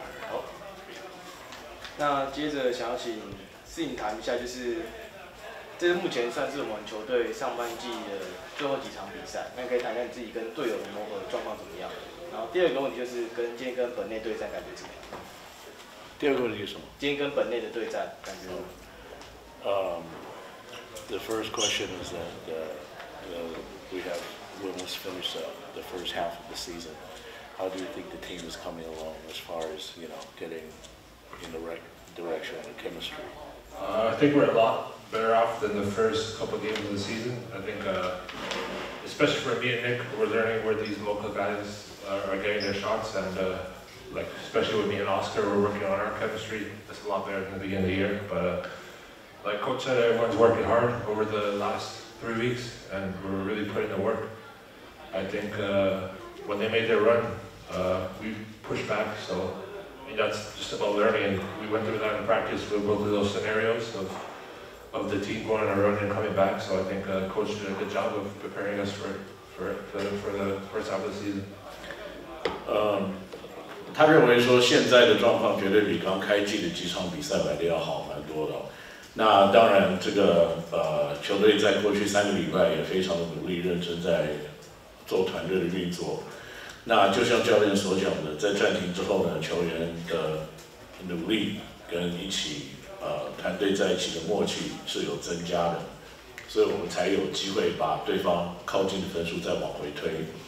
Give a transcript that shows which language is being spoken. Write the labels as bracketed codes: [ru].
[zh] 好，那接着想要请 Sid 谈一下，就是这是目前算是我们球队上半季的最后几场比赛，那可以谈一下你自己跟队友的磨合状况怎么样？然后第二个问题就是跟今天跟本内对战感觉怎么样？第二个问题是什么？今天跟本内的对战感觉如何？ [en] The first question is that we have almost finished the first half of the season. How do you think the team is coming along as far as you know getting in the right direction and chemistry? I think we're a lot better off than the first couple of games of the season. I think, especially for me and Nick, we're learning where these local guys are getting their shots, and like especially with me and Oscar, we're working on our chemistry. That's a lot better than the beginning of the year. But like Coach said, everyone's working hard over the last 3 weeks, and we're really putting the work. I think when they made their run, we pushed back. So I mean, that's just about learning, and we went through that in practice with both of those scenarios of the team going on a run and coming back, so I think Coach did a good job of preparing us for the first half of the season. [zh] 他认为说现在的状况绝对比刚开季的几场比赛来的要好蛮多的。那当然，这个球队在过去三个礼拜也非常的努力认真在做团队的运作。那就像教练所讲的，在暂停之后呢，球员的努力跟一起团队在一起的默契是有增加的，所以我们才有机会把对方靠近的分数再往回推。